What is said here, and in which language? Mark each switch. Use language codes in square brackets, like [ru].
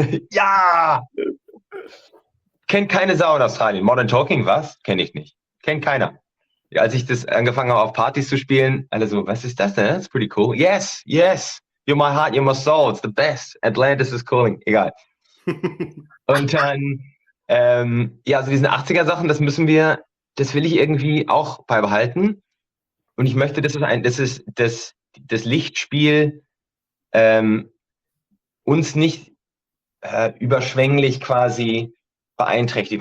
[de] ja, kennt keine Sau in Australien. Modern Talking, was? Kenne ich nicht. Kennt keiner. Als ich das angefangen habe, auf Partys zu spielen, alle so, was ist das denn? [en] That's pretty cool. Yes, yes, you're my heart, you're my soul, it's the best. [de] Atlantis is calling, egal. Und dann, ja, so diese 80er-Sachen, das will ich irgendwie auch beibehalten. Und ich möchte, dass das Lichtspiel uns nicht überschwänglich quasi beeinträchtigt.